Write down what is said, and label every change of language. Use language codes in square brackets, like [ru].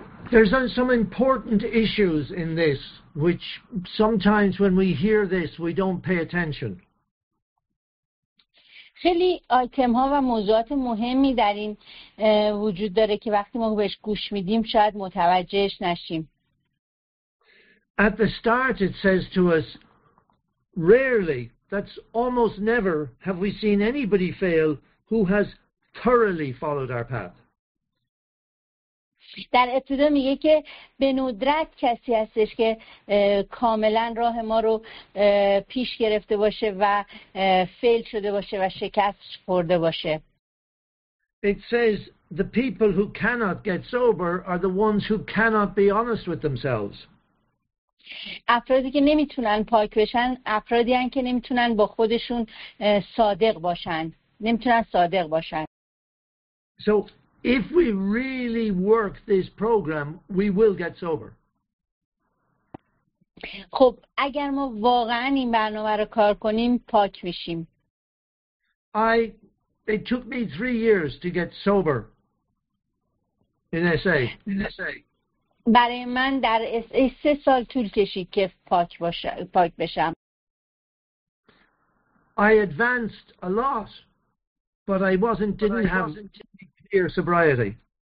[en] There's some important issues in this, which sometimes when we hear this, we don't pay attention. [fa] خیلی آیتم ها و موضوعات مهمی در این وجود داره که وقتی ما بهش گوش میدیم شاید متوجهش نشیم. [en] At the start it says to us, Rarely, that's almost never, have we seen anybody fail who has thoroughly followed our path. [fa] در ابتدا میگه که به ندرت کسی هستش که کاملا راه ما رو پیش گرفته باشه و فیل شده باشه و شکست خورده باشه. [en] It says the people who cannot get sober are the ones who cannot be honest with themselves. [fa] افرادی که نمیتونن پاک بشن افرادی هستن که نمیتونن با خودشون صادق باشن. نمیتونن صادق باشن. [en] So if we really work this program, we will get sober. [fa] خب اگر ما واقعا این برنامه رو کار کنیم پاک میشیم. [en] It took me 3 years to get sober in SA. [fa] برای من در SA 3 سال طول کشید که پاک بشم. [en] I advanced a lot, but I wasn't didn't have sobriety.